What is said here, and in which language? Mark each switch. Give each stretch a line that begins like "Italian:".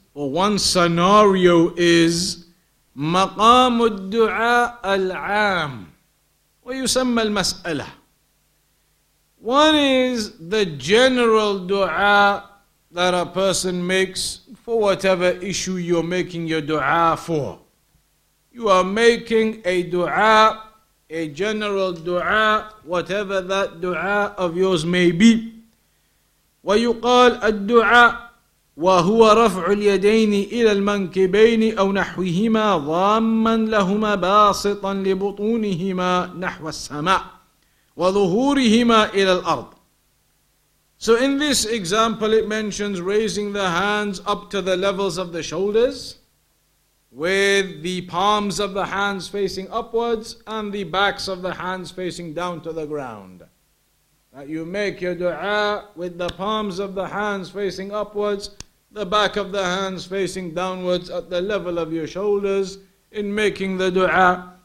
English: One scenario is
Arabic: مقام الدعاء العام ويسمى المسألة.
English: One is the general dua that a person makes for whatever issue you're making your dua for. You are making a dua, a general dua, whatever that dua of yours may be.
Arabic: ويقال الدعاء وهو رفع اليدين إلى المنكبين أو نحوهما ضاما لهما باسطا لبطونهما نحو السماء وظهورهما إلى الأرض.
English: So in this example, it mentions raising the hands up to the levels of the shoulders, with the palms of the hands facing upwards and the backs of the hands facing down to the ground. That you make your dua with the palms of the hands facing upwards, the back of the hands facing downwards at the level of your shoulders in making the dua.